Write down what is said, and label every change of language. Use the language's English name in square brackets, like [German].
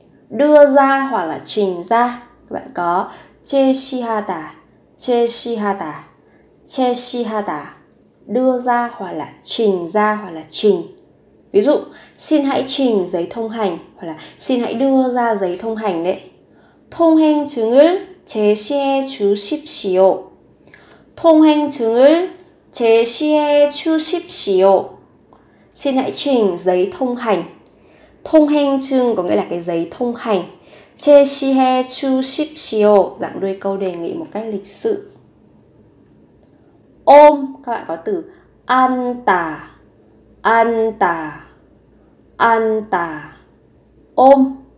[Vietnamese] Đưa ra hoặc là trình ra. Các bạn có 제시하다. [Korean] 제시하다. 제시하다. [Vietnamese] Đưa ra hoặc là trình ra hoặc là trình. Ví dụ, xin hãy trình giấy thông hành hoặc là xin hãy đưa ra giấy thông hành đấy. [Korean] 통행증을 제시해 주십시오. 통행증을 제시해 주십시오. [Vietnamese] Xin hãy trình giấy thông hành. 통행증 có nghĩa là cái giấy thông hành. [Korean] 제시해 주십시오 [Vietnamese] dạng đuôi câu đề nghị một cách lịch sự. Ôm, các bạn có từ 안다. [Korean] 안다. 안다. Ôm.